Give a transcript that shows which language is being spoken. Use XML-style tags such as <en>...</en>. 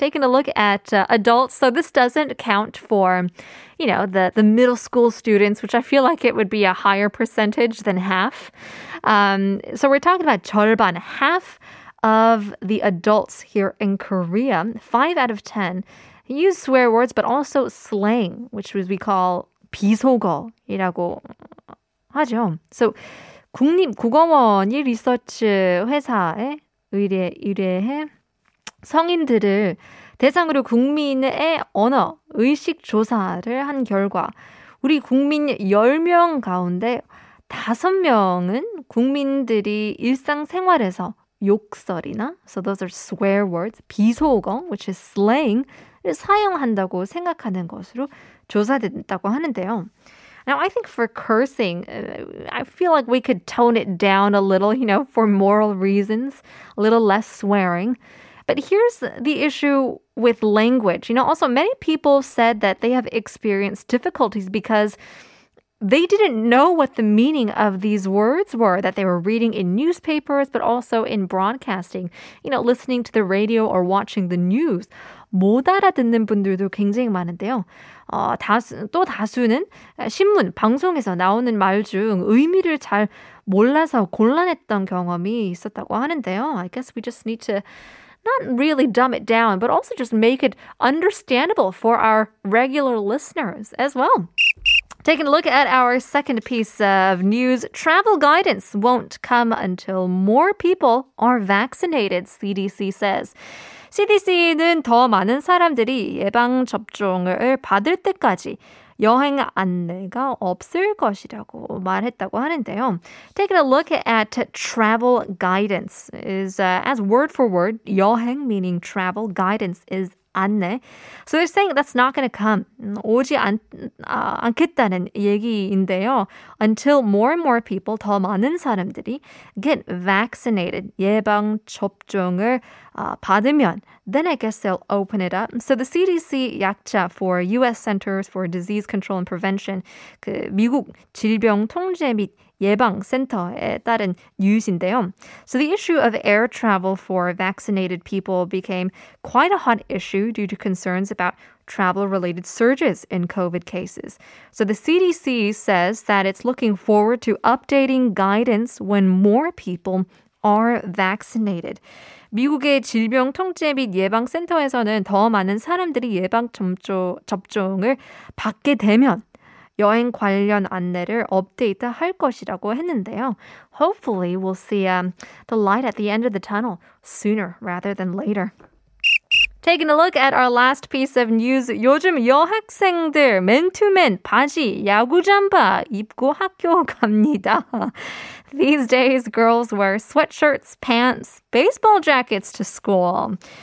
<en>Taking a look at adults, so this doesn't count for, you know, the middle school students, which I feel like it would be a higher percentage than half. So we're talking about 절반, half of the adults here in Korea, 5 out of 10, use swear words, but also slang, which we call</en> <ko>비속어이라고 하죠. So, 국립국어원이 리서치 회사에 의뢰해 성인들을 대상으로 국민의 언어 의식 조사를 한 결과 우리 국민 10명 가운데 5명은 국민들이 일상생활에서 욕설이나</ko> <en>so those are swear words,</en> <ko>비속어,</ko> <en>which is slang,</en> <ko>사용한다고 생각하는 것으로 조사됐다고 하는데요.</ko> <en>Now, I think for cursing, I feel like we could tone it down a little, you know, for moral reasons, a little less swearing. But here's the issue with language. You know, also many people said that they have experienced difficulties because they didn't know what the meaning of these words were that they were reading in newspapers, but also in broadcasting, you know, listening to the radio or watching the news.</en> <ko>못 알아듣는 분들도 굉장히 많은데요. 또 다수는 신문, 방송에서 나오는 말 중 의미를 잘 몰라서 곤란했던 경험이 있었다고 하는데요.</ko> <en>I guess we just need to not really dumb it down, but also just make it understandable for our regular listeners as well. Taking a look at our second piece of news, travel guidance won't come until more people are vaccinated, CDC says.</en> <ko>CDC는 더 많은 사람들이 예방접종을 받을 때까지 여행 안내가 없을 것이라고 말했다고 하는데요.</ko> <en>Taking a look at travel guidance is as word for word, 여행 meaning travel guidance is 안내. So they're saying that's not going to come.</en> <ko>오지 않겠다는 얘기인데요.</ko> <en>Until more and more people,</en> <ko>더 많은 사람들이</ko> <en>get vaccinated,</en> <ko>예방접종을 받으면</ko> <en>then I guess they'll open it up. So the CDC 약자 for U.S. Centers for Disease Control and Prevention,</en> <ko>그 미국 질병통제 및 예방센터에 따른 뉴스인데요.</ko> <en>So the issue of air travel for vaccinated people became quite a hot issue due to concerns about travel-related surges in COVID cases. So the CDC says that it's looking forward to updating guidance when more people are vaccinated.</en> <ko>미국의 질병통제 및 예방센터에서는 더 많은 사람들이 예방접종을 받게 되면 여행 관련 안내를 업데이트 할 것이라고 했는데요.</ko> <en>Hopefully, we'll see the light at the end of the tunnel sooner rather than later. Taking a look at our last piece of news,</en> <ko>요즘 여학생들 맨투맨 바지, 야구 잠바 입고 학교 갑니다.</ko> <en>These days, girls wear sweatshirts, pants, baseball jackets to school.</en>